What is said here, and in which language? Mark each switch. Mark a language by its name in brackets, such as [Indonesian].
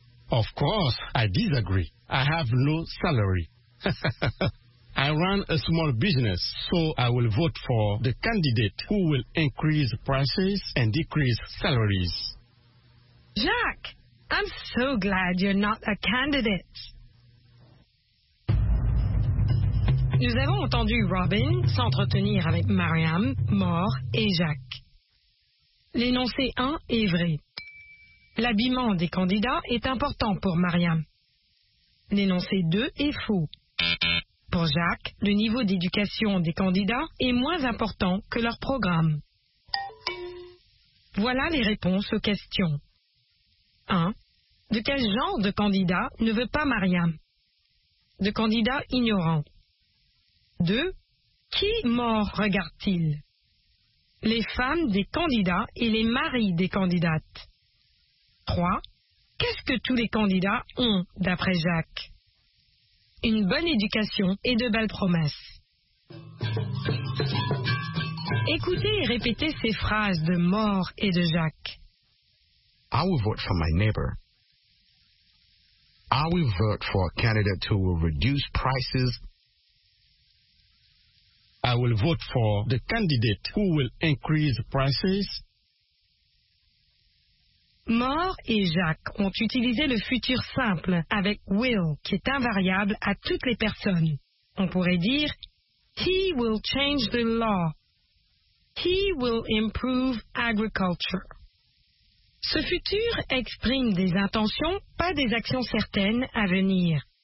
[English] Of course, I disagree. I have no salary. I run a small business, so I will vote for the candidate who will increase prices and decrease salaries. Jacques, I'm so glad you're not a candidate. [French] Nous avons entendu Robin s'entretenir avec Mariam, Maure et Jacques. L'énoncé 1 est vrai. L'habillement des candidats est important pour Mariam. L'énoncé 2 est faux. Pour Jacques, le niveau d'éducation des candidats est moins important que leur programme. Voilà les réponses aux questions. 1. De quel genre de candidat ne veut pas Mariam? De candidat ignorant. 2. Qui mort regarde-t-il? Les femmes des candidats et les maris des candidates. 3. Qu'est-ce que tous les candidats ont, d'après Jacques? Une bonne éducation et de belles promesses. Écoutez et répétez ces phrases de mort et de Jacques. [English] I will vote for my neighbor. I will vote for a candidate who will reduce prices. I will vote for the candidate who will increase prices. [French] Maure et Jacques ont utilisé le futur simple avec will, qui est invariable à toutes les personnes. On pourrait dire, [English] he will change the law. He will improve agriculture. [French] Ce futur exprime des intentions, pas des actions certaines à venir.